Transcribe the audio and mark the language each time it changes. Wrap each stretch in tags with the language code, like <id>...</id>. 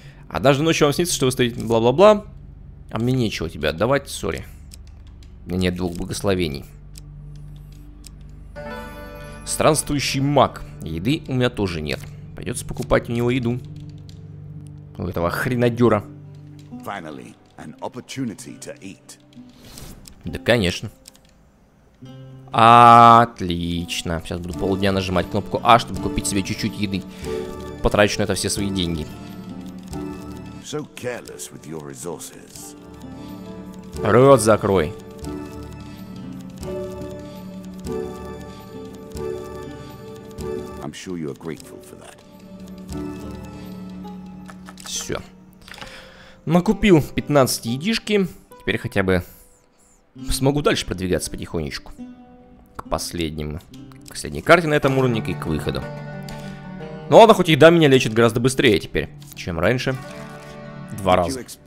<ru>Однажды ночью вам снится, что вы стоите бла-бла-бла. А мне нечего тебе отдавать, сори. У меня нет двух благословений. Странствующий маг. Еды у меня тоже нет. Придется покупать у него еду. У этого хренодера.</ru> <en>Finally, an opportunity to eat.</en> <ru>Да, конечно. Отлично. Сейчас буду полдня нажимать кнопку А, чтобы купить себе чуть-чуть еды. Потрачу на это все свои деньги.</ru> <en>So careless with your resources.</en> <ru>Рот закрой.</ru> <en>I'm sure you are grateful for that.</en> <ru>Все. Накупил 15 едишки. Теперь хотя бы смогу дальше продвигаться потихонечку. К последней карте на этом уровне и к выходу. Ну ладно, хоть еда меня лечит гораздо быстрее теперь, чем раньше. Два раза.</ru>